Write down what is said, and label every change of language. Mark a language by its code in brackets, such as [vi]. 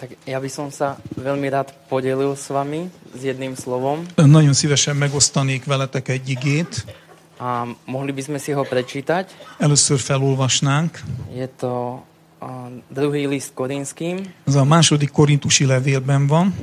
[sk] Ja by som sa veľmi rád podelil s vami s jedným slovom. [hu] Nagyon szívesen megosztanék veletek egy igét. [sk] A mohli by sme si ho prečítať. [hu] Először felolvasnánk. [sk] Je to druhý list Korinským. [hu] Ez a második korintusi levélben van.